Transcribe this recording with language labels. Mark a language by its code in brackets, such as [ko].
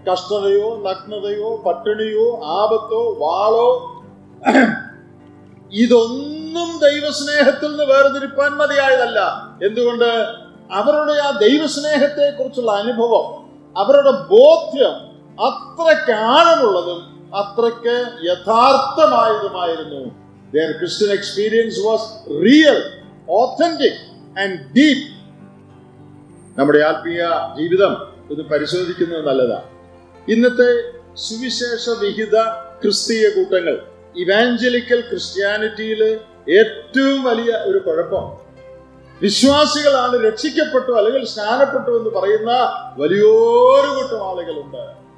[ml] കഷ്ടതയോ നഗ്നതയോ പട്ടിണിയോ ആപത്തോ വാളോ ഇതൊന്നും ദൈവസ്നേഹത്തിൽ നിന്ന് വേർതിരിപ്പാൻ മതിയായതല്ല. എന്തുകൊണ്ട്? അവരുടെ ആ ദൈവസ്നേഹത്തെ കുറിച്ചുള്ള അനുഭവം, അവരുടെ ബോധ്യം അത്രയ്ക്ക് ആഴമുള്ളതും അത്രയ്ക്ക് യഥാർത്ഥമായതുമായിരുന്നു. [en] Their Christian experience was real, authentic and deep. [ml] നമ്മുടെ ആത്മീയ ജീവിതം ഇത് പരിശോധിക്കുന്നത് നല്ലതാ. ഇന്നത്തെ സുവിശേഷ വിഹിത ക്രിസ്തീയ കൂട്ടങ്ങൾ, ഇവാഞ്ചലിക്കൽ ക്രിസ്ത്യാനിറ്റിയിലെ ഏറ്റവും വലിയ ഒരു കുഴപ്പം, വിശ്വാസികളാണ് രക്ഷിക്കപ്പെട്ടു അല്ലെങ്കിൽ സ്നാനപ്പെട്ടു എന്ന് പറയുന്ന വലിയൊരു കൂട്ടം ആളുകളുണ്ട്.